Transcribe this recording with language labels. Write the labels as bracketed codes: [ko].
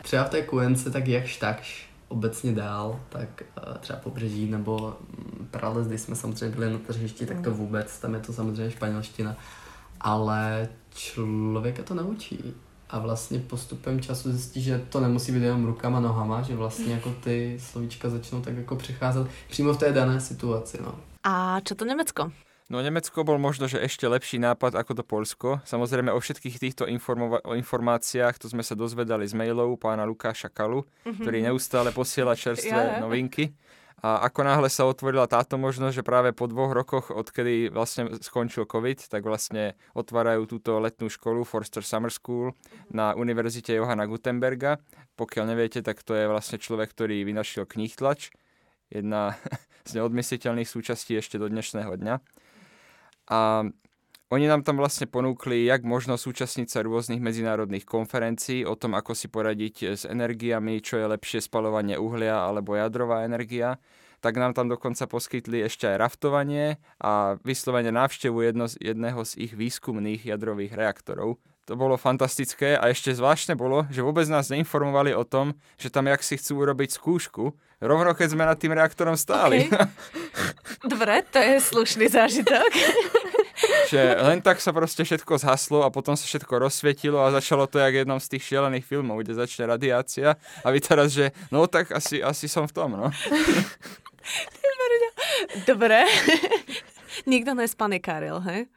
[cs] Třeba v té QNC tak jakž takž obecně dál, tak třeba pobřeží nebo prales, když jsme samozřejmě byli na tržišti, tak to vůbec, tam je to samozřejmě španělština. Ale člověka to naučí. A vlastně postupem času zjistí, že to nemusí být jenom rukama, nohama, že vlastně jako ty slovíčka začnou tak jako přicházet přímo v té dané situaci, no. [sk] A čo to Německo? No, Německo bol možno, že ešte lepší nápad ako to Polsko. Samozrejme, o všetkých týchto informáciách to sme sa dozvedali z mailov pána Lukáša Kalu, ktorý neustále posiela čerstvé novinky. A ako náhle sa otvorila táto možnosť, že práve po 2 rokoch, odkedy vlastne skončil COVID, tak vlastne otvárajú túto letnú školu Forster Summer School na Univerzite Johana Gutenberga. Pokiaľ neviete, tak to je vlastne človek, ktorý vynašiel knihtlač. Jedna z neodmysliteľných súčastí ešte do dnešného dňa. A oni nám tam vlastne ponúkli, jak možno súčastniť sa rôznych medzinárodných konferencií o tom, ako si poradiť s energiami, čo je lepšie spaľovanie uhlia alebo jadrová energia. tak nám tam dokonca poskytli ešte aj raftovanie a vyslovene návštevu jedného z ich výskumných jadrových reaktorov. To bolo fantastické a ešte zvláštne bolo, že vôbec nás neinformovali o tom, že tam jaksi chcú urobiť skúšku, rovno keď sme nad tým reaktorom stáli. Okay. Dobre, to je slušný zážitok. Že len tak sa proste všetko zhaslo a potom sa všetko rozsvietilo a začalo to jak jednom z tých šielených filmov, kde začne radiácia a vy teraz, že no tak asi som v tom, no. Dobre. Nikto nespanikáril, hej?